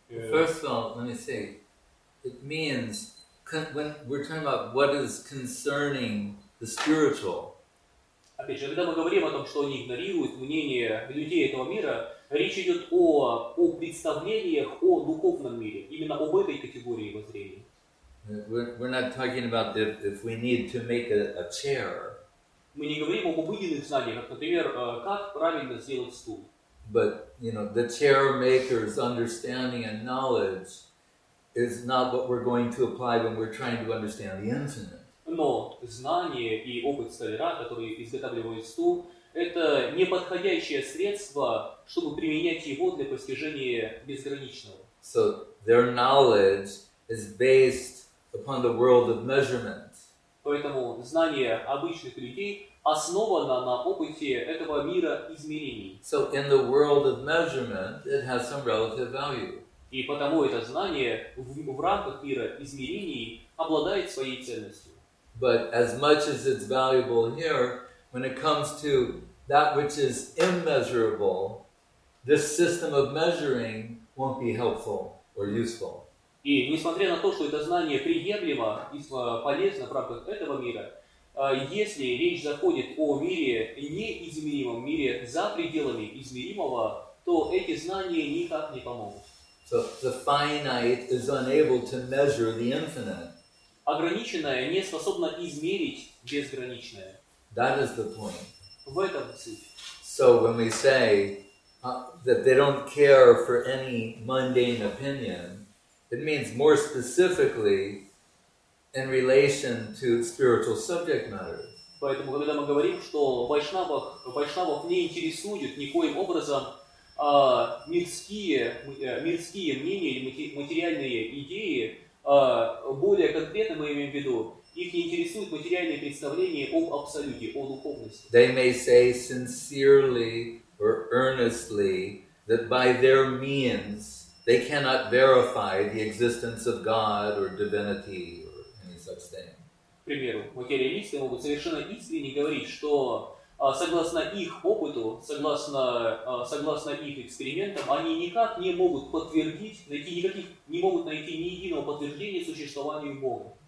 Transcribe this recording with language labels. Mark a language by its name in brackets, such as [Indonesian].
[English] First of all, let me say, it means when we're talking about what is concerning the spiritual. [Russian] Опять же, когда мы говорим о том, что они игнорируют мнение людей этого мира, речь идет о представлениях о духовном мире, именно об этой категории воззрений. [English] We're not talking about if we need to make a chair. [Russian] Мы не говорим об обыденных знаниях, например, как правильно сделать стул. [English] But you know, the chair maker's understanding and knowledge is not what we're going to apply when we're trying to understand the infinite. [Russian] Но знание и опыт столяра, который изготавливает стул, это не подходящее средство, чтобы применять его для постижения безграничного. [English] So their knowledge is based upon the world of measurement. [Russian] Поэтому знание обычных людей основано на опыте этого мира измерений. [English] So in the world of measurement, it has some relative value. [Russian] И потому это знание в рамках мира измерений обладает своей ценностью. [English] But as much as it's valuable here, when it comes to that which is immeasurable, this system of measuring won't be helpful or useful. [Russian] И несмотря на то, что это знание приемлемо и полезно в рамках этого мира, если речь заходит о мире неизмеримом, мире за пределами измеримого, то эти знания никак не помогут. [English] So the finite is unable to measure the infinite. [Russian] Ограниченное не способно измерить безграничное. [English] That is the point. [Russian] В этом суть. [English] So when we say that they don't care for any mundane opinion, it means more specifically in relation to spiritual subject matters. [Russian] Поэтому, когда мы говорим, что вайшнавов не интересуют никоим образом мирские мнения или материальные идеи, более конкретно мы имеем в виду, их не интересуют материальные представления об абсолюте, о духовности. [English] They may say sincerely or earnestly that by their means they cannot verify the existence of God or divinity or any such thing. [Russian] К примеру, материалисты могут совершенно искренне говорить, что согласно их опыту, согласно их экспериментам, они никак не могут подтвердить, не могут найти ни единого подтверждения существования Бога.